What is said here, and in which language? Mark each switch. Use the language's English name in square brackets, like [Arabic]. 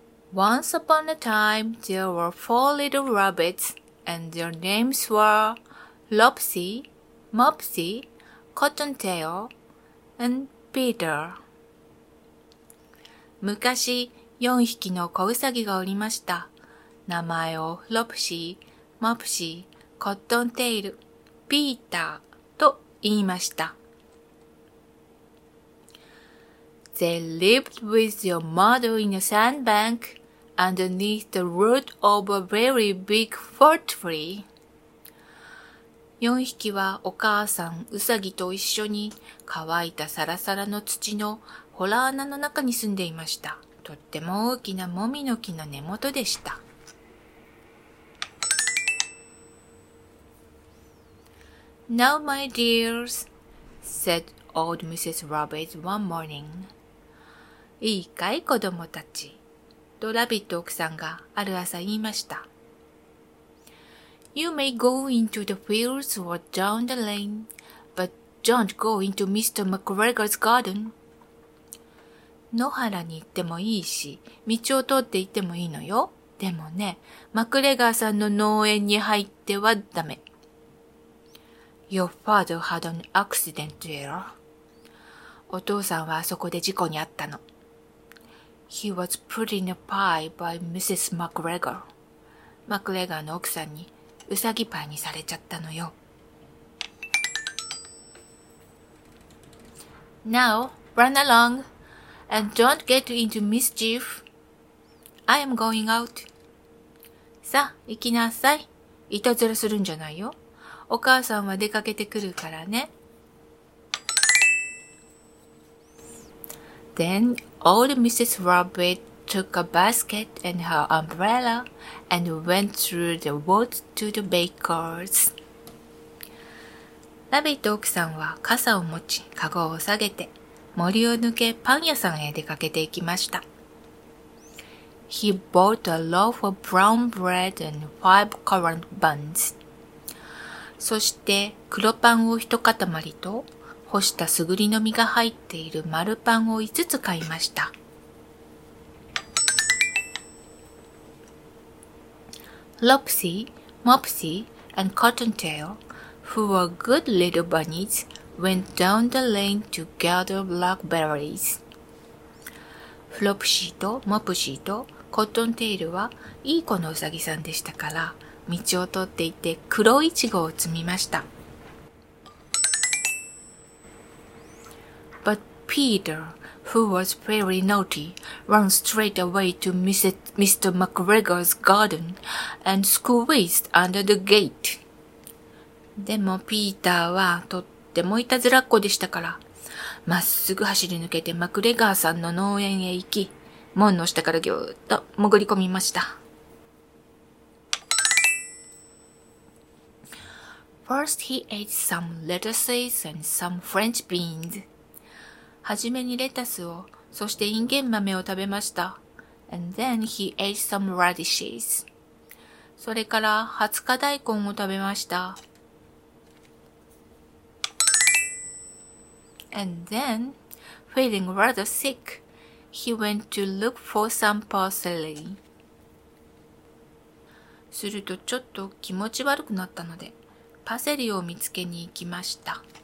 [English] Once upon a time, there were four little rabbits, and their names were Lopsy, Mopsy, Cottontail, and Peter. [Japanese] 昔、四匹の子ウサギがおりました。名前を Lopsy, Mopsy, Cottontail, Peter と言いました。 [English] They lived with your mother in a sandbank underneath the root of a very big fir tree. [Japanese] 四匹はお母さんウサギと一緒に乾いたサラサラの土の洞穴の中に住んでいました。とっても大きなモミの木の根元でした。 [English] Now, my dears, said old Mrs. Rabbit one morning. [Japanese] いいかい子供たち。とラビット奥さんがある朝言いました。 [English] You may go into the fields or down the lane, but don't go into Mr. McGregor's garden. [Japanese] 野原に行ってもいいし、道を通って行ってもいいのよ。でもね、マクレガーさんの農園に入ってはダメ。 [English] Your father had an accident there. [Japanese] お父さんはあそこで事故に遭ったの。 [English] He was put in a pie by Mrs. McGregor. [Japanese] マクレガーの奥さんにウサギパイにされちゃったのよ。 [English] Now, run along and don't get into mischief. I am going out. [Japanese] さあ、行きなさい。いたずらするんじゃないよ。お母さんは出かけてくるからね。 [English] Then old Mrs. Rabbit took a basket and her umbrella and went through the woods to the baker's. [Japanese] ラビット奥さんは傘を持ち、カゴを下げて、森を抜けパン屋さんへ出かけていきました。 [English] He bought a loaf of brown bread and 5 currant buns. [Japanese] そして黒パンを一塊と、干したすぐりの実が入っている丸パンを5つ買いました。 [English] Lopsy, Mopsy, and Cottontail, who were good little bunnies, went down the lane to gather blackberries. [Japanese] Flopsy と Mopsy とコットンテイルはいい子のウサギさんでしたから、道を通っていて黒いちごを摘みました。 [English] But Peter, who was very naughty, ran straight away to Mr. McGregor's garden and squeezed under the gate. [Japanese] でもピーターはとってもいたずらっ子でしたから、まっすぐ走り抜けてマクレガーさんの農園へ行き、門の下からぎゅーっと潜り込みました。 [English] First he ate some lettuces and some French beans. [Japanese] はじめにレタスを、そしてインゲン豆を食べました。 [English] And then he ate some radishes. [Japanese] それから二十日大根を食べました。 [English] And then, feeling rather sick,He went to look for some parsley. [Japanese] するとちょっと気持ち悪くなったので、パセリを見つけに行きました。